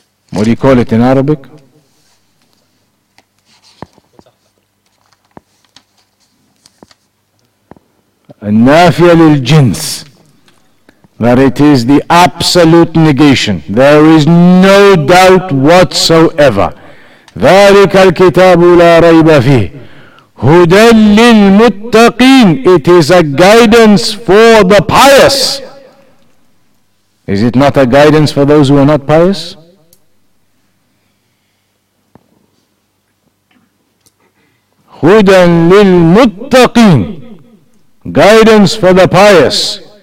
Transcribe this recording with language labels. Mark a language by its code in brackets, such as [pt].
[en] What do you call it in Arabic? Nafiya lil jins, that it is the absolute negation. There is no doubt whatsoever. [ar] ذلك الكتاب لا ريب فيه هدى للمتقين. [en] It is a guidance for the pious. Is it not a guidance for those who are not pious? [ar] هدى للمتقين. [en] Guidance for the pious.